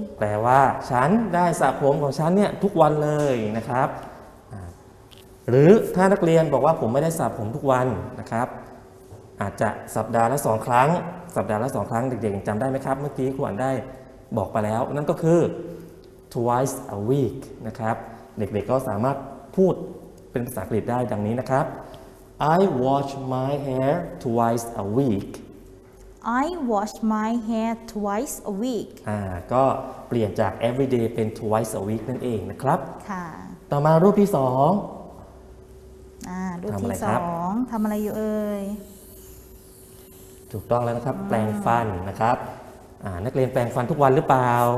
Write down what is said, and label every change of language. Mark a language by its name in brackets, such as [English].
[Thai] แปลว่าฉันได้สระผมของฉันเนี่ยทุกวันเลยนะครับหรือถ้านักเรียนบอกว่าผมไม่ได้สระผมทุกวันนะครับอาจจะสัปดาห์ละ2ครั้งสัปดาห์ละ2ครั้งเด็กๆจำได้ไหมครับเมื่อกี้ครูอันได้บอกไปแล้วนั่นก็คือ [English] twice a week [Thai] นะครับเด็กๆก็สามารถพูดเป็นภาษาอังกฤษได้ดังนี้นะครับ [English] I wash my hair twice a week. I wash my hair twice a week. [Thai] ก็เปลี่ยนจาก [English] every day [Thai] เป็น [English] twice a week [Thai] นั่นเองนะครับ ค่ะ ต่อมารูปที่สอง รูปที่สองทำอะไรอยู่เอ่ย ถูกต้องแล้วนะครับแปรงฟันนะครับนักเรียนแปรงฟันทุกวันหรือเปล่า